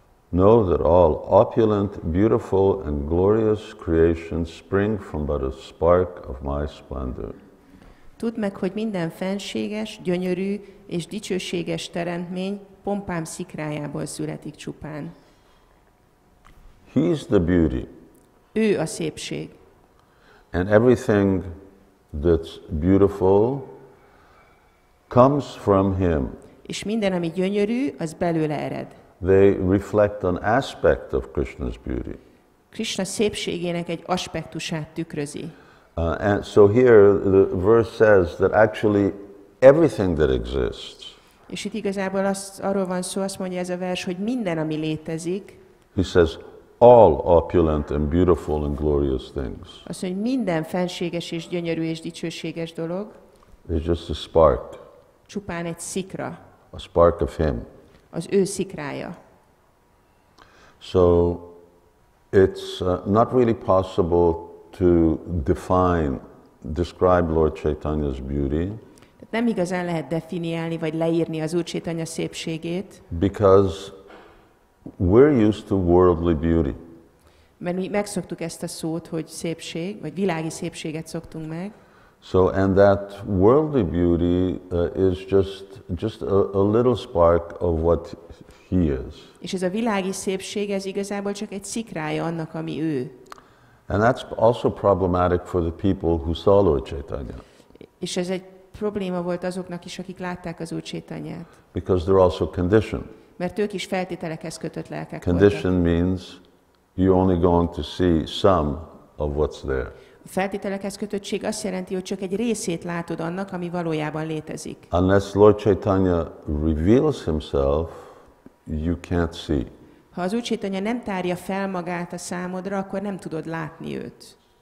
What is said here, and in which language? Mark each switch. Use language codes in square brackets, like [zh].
[en] Know that all opulent, beautiful and glorious creations spring from but a spark of my splendor. [hu] Tudd meg, hogy minden fenséges, gyönyörű és dicsőséges teremtmény pompám szikrájából születik csupán. [en] He is the beauty. [hu] Ő a szépség. [en] And everything that's beautiful comes from him. [hu] És minden, ami gyönyörű, az belőle ered. [en] They reflect an aspect of Krishna's beauty. [hu] Krishna szépségének egy aspektusát tükrözi. [en] And so here the verse says that actually everything that exists. [hu] És itt igazából arról van szó, azt mondja ez a vers, hogy minden, ami létezik. [en] He says all opulent and beautiful and glorious things. [hu] Azt mondja, minden fenséges és gyönyörű és dicsőséges dolog. [en] It's just a spark. [hu] Csupán egy szikra. [en] A spark of him. [hu] Az ő szikrája. [en] So it's not really possible to describe Lord Chaitanya's beauty. [hu] Nem igazán lehet definiálni vagy leírni az Úr Chaitanya szépségét. [en] Because we're used to worldly beauty. [hu] Mert mi megszoktuk ezt a szót, hogy szépség, vagy világi szépséget szoktunk meg. [en] So and that worldly beauty is just a little spark of what he is. [hu] És ez a világi szépség, ez igazából csak egy szikrája annak, ami ő. [en] And that's also problematic for the people who saw Lord Chaitanya. [hu] És ez egy probléma volt azoknak is, akik látták az Úr Chaitanyát. [en] Because they're also conditioned. [hu] Mert ők is feltételekhez kötött lelkek voltak. [en] Condition means you're only going to see some of what's there. [hu] A feltételekhez kötöttség azt jelenti, hogy csak egy részét látod annak, ami valójában létezik. [en] Unless Lord Chaitanya reveals himself, you can't see. [hu] Ha az Úr Chaitanya nem tárja fel magát a számodra, akkor nem tudod látni őt.